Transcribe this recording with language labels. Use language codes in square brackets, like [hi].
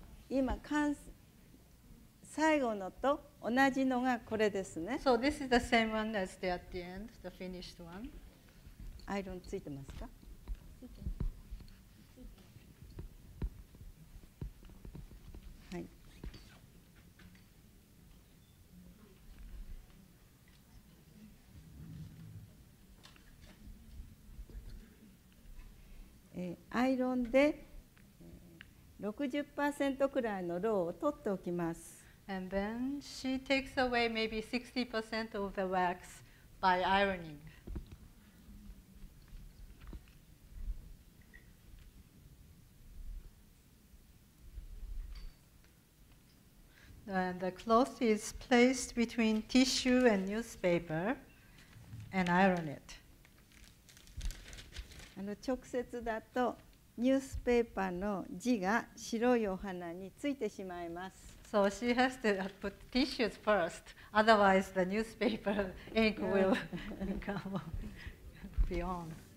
[ja] 今、最後のと同じのがこれですね。 [en] So this is the same one as the at the end, the finished one. [ja] アイロンついてますか？はい。アイロンで 60% くらいのローを取っておきます。 [en] And then she takes away maybe 60% of the wax by ironing. And the cloth is placed between tissue and newspaper and iron it. [ja] And 直接だとニュースペーパーの字が白いお花についてしまいます。 [en] So she has to put tissues first, otherwise the newspaper ink will become beyond.